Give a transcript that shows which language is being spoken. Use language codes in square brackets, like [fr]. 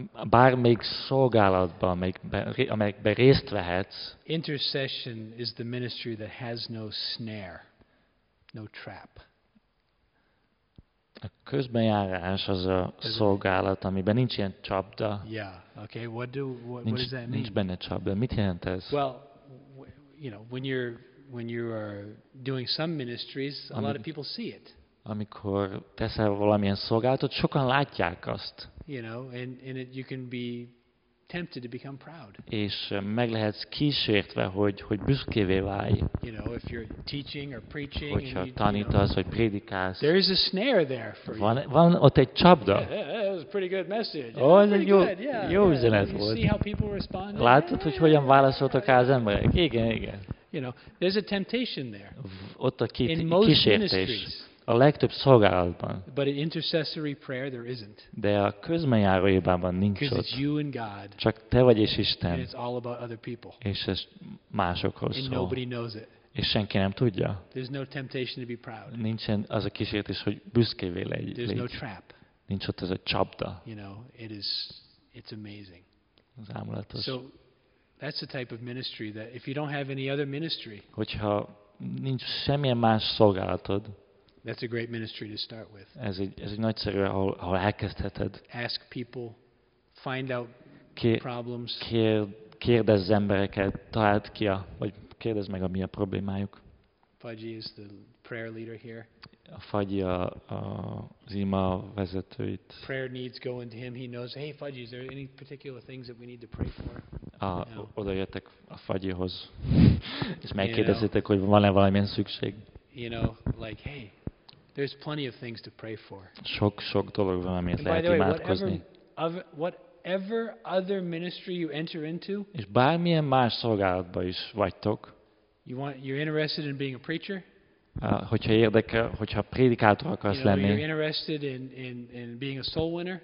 [hu] Bármelyik szolgálatban, amelyekben részt vehetsz. [en] Intercession is the ministry that has no snare, no trap. [hu] A közbenjárás az a szolgálat, amiben nincs ilyen csapda. [en] Yeah, okay. What does that mean? [hu] Nincs benne csapda. Mit jelent ez? [en] Well, you know, when you are doing some ministries, a lot of people see it. [hu] Amikor teszel valamilyen szolgálatot, sokan látják azt. [en] You know, and it, you can be tempted to become proud. [hu] És meg lehetsz kísértve, hogy büszkévé válj. [en] You know, if you're teaching or preaching, [hu] hogyha tanítasz vagy prédikálsz. [en] There is a snare there for you. [hu] Van ott egy csapda. [en] Yeah, that was a pretty good message. Oh, yeah, [hu] jó üzenet volt. [en] See how people respond. [hu] Látod, hogy hogyan válaszoltak az emberek? Igen. [en] You know, there's a temptation there. [hu] Ott a kísértés. A legtöbb szolgálatban. [en] But in intercessory prayer there isn't. [hu] De a közbenjárójában nincs ott. [en] Because it's you and God. [hu] Csak te vagy és Isten. [en] And it's all about other people. [hu] És ez másokhoz szól. [en] And nobody knows it. [hu] És senki nem tudja. [en] There's no temptation to be proud. [hu] Nincsen az a kísértés, hogy büszkévé legy. [en] There's no trap. [hu] Nincs ott az a csapda. [en] You know, it's amazing. [hu] Az ámulatos. [en] So that's the type of ministry that if you don't have any other ministry. [hu] Hogyha nincs semmilyen más szolgálatod. [en] That's a great ministry to start with. [hu] Ez egy nagyszerű, ahol elkezdheted. [en] Ask people, find out problems. [hu] Kérdezz embereket, találd ki, vagy kérdezz meg, ami a problémájuk. [en] Fudgy is the prayer leader here. [hu] Fudgy az ima vezető itt. [en] Prayer needs go into him. He knows, hey Fudgy, is there any particular things that we need to pray for? [hu] Odajöttek a Fudgyhoz, és megkérdezitek, hogy van-e valamilyen szükség. [en] You know, like, hey, there's plenty of things to pray for. [hu] Sok-sok dolog van, amit lehet imádkozni. [en] Whatever other ministry you enter into, [hu] és bármilyen más szolgálatba is vagytok, [en] you're interested in being a preacher? [hu] Hogyha érdekel, hogyha prédikátor akarsz lenni, [en] you're interested in being a soul winner?